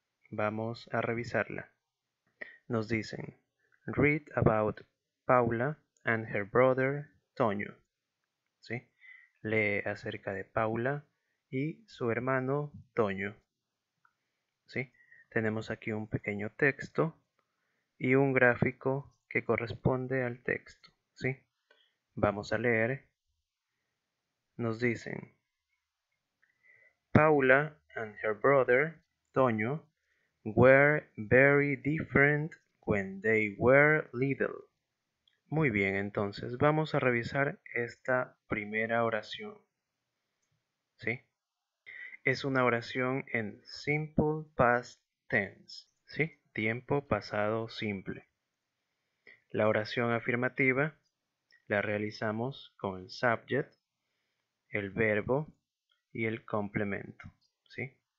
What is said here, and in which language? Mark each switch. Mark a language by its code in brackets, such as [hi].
[es] Vamos a revisarla. Nos dicen, [en] read about Paula and her brother Toño. [es] ¿Sí? Lee acerca de Paula y su hermano Toño. ¿Sí? Tenemos aquí un pequeño texto y un gráfico que corresponde al texto. ¿Sí? Vamos a leer. Nos dicen, [en] Paula and her brother Toño were very different when they were little. [es] Muy bien, entonces vamos a revisar esta primera oración. ¿Sí? Es una oración en simple past tense. ¿Sí? Tiempo pasado simple. La oración afirmativa la realizamos con el subject, el verbo y el complemento. ¿Sí?